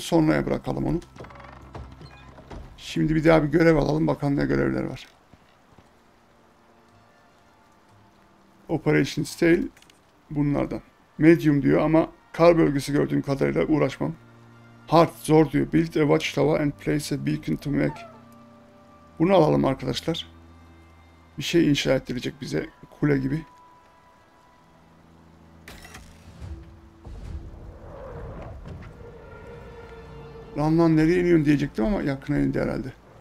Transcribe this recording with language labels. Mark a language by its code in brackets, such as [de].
[tr] Sonraya bırakalım onu. Şimdi bir daha bir görev alalım. Bakalım ne görevler var. Operation Steel bunlardan. Medium diyor ama kar bölgesi gördüğüm kadarıyla uğraşmam. Hard, zor diyor. [en] Build a watchtower and place a beacon to make. [tr] Bunu alalım arkadaşlar. Bir şey inşa ettirecek bize. Kule gibi. Lan nereye iniyorsun diyecektim ama yakına indi herhalde.